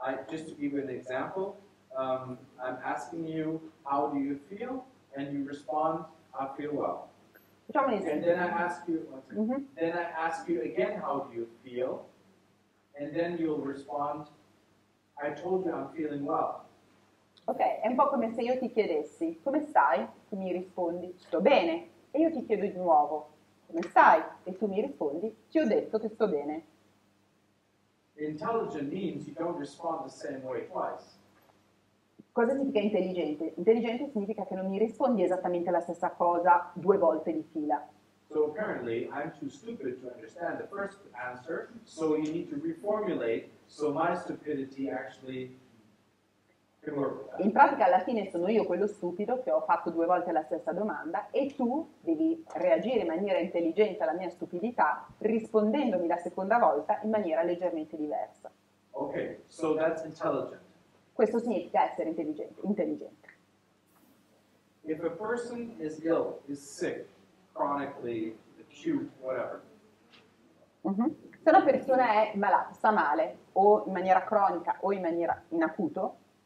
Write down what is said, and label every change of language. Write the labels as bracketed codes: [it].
[en] Just to give you an example, I'm asking you how do you feel, and you respond, I feel well. And then I ask you, then I ask you again, how do you feel, and then you'll respond, I told you I'm feeling well. [it] Ok, è un po' come se io ti chiedessi, come stai? Tu mi rispondi, sto bene. E io ti chiedo di nuovo, come stai? E tu mi rispondi, ti ho detto che sto bene. [en] Intelligent means you don't respond the same way twice. [it] Cosa significa intelligente? Intelligente significa che non mi rispondi esattamente la stessa cosa due volte di fila. [en] So apparently I'm too stupid to understand the first answer, so you need to reformulate, so my stupidity actually... [it] In pratica alla fine sono io quello stupido che ho fatto due volte la stessa domanda e tu devi reagire in maniera intelligente alla mia stupidità rispondendomi la seconda volta in maniera leggermente diversa. [en] Ok, so that's intelligent. [it] Questo significa essere intelligente. [en] If a person is ill, is sick, chronically, acute, whatever. [it] Se una persona è malata, sta male, o in maniera cronica o in maniera in acuto,